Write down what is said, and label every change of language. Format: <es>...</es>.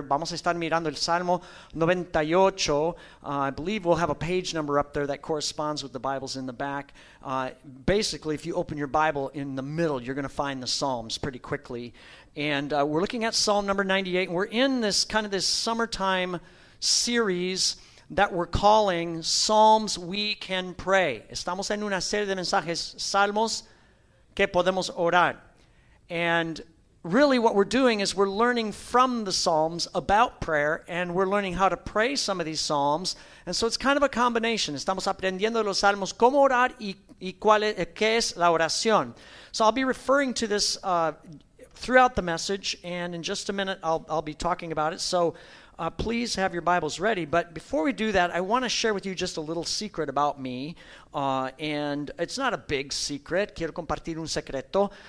<es>Vamos a estar mirando el Salmo 98.</es> <en>I believe we'll have a page number up there that corresponds with the Bibles in the back. Basically, if you open your Bible in the middle, you're going to find the Psalms pretty quickly. And we're looking at Psalm number 98. And we're in this kind of this summertime series that we're calling Psalms We Can Pray.</en> <es>Estamos en una serie de mensajes, Salmos que podemos orar.</es> <en>And really what we're doing is we're learning from the Psalms about prayer, and we're learning how to pray some of these Psalms. And so it's kind of a combination.</en> <es>Estamos aprendiendo los Salmos, cómo orar y cuál es, qué es la oración.</es> <en>So I'll be referring to this throughout the message, and in just a minute I'll be talking about it. So please have your Bibles ready. But before we do that, I want to share with you just a little secret about me. And it's not a big secret.</en> <es>Quiero compartir un secreto.</es>